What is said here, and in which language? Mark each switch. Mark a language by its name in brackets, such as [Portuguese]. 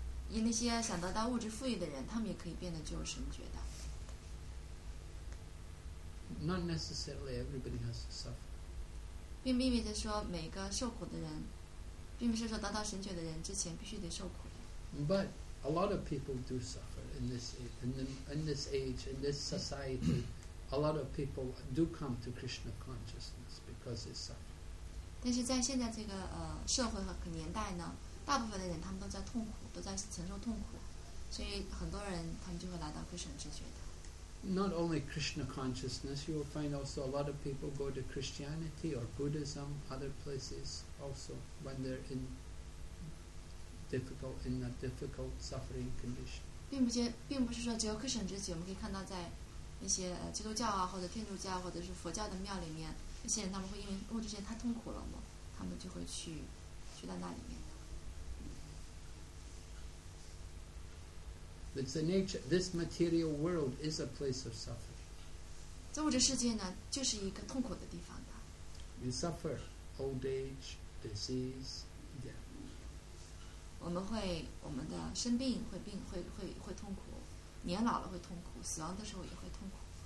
[Chinese] 以那些想得到物质富裕的人，他们也可以变得具有神觉的。 [English] Not necessarily everybody has to suffer. [Chinese] 并不意味着说每个受苦的人，并不是说得到神觉的人之前必须得受苦。 [English] But a lot of people do suffer in this age, in this society. A lot of people do come to Krishna consciousness because they suffer. [Chinese] 但是在现在这个社会和年代呢，大部分的人他们都在痛苦，都在承受痛苦，所以很多人他们就会来到 Krishna 直觉的。 [English] Not only Krishna consciousness, you will find also a lot of people go to Christianity or Buddhism, other places also when they're in. Difficult in a difficult suffering condition. [Chinese] 并不是说只有 Krishna 直觉，我们可以看到在那些基督教啊，或者天主教，或者是佛教的庙里面，有些人他们会因为物质界太痛苦了嘛，他们就会去到那里面。 [English] It's the nature. This material world is a place of suffering. [Chinese] 在物质世界呢，就是一个痛苦的地方的。 [English] You suffer old age, disease, death. [Chinese] 我们的生病会病会痛苦，年老了会痛苦，死亡的时候也会痛苦。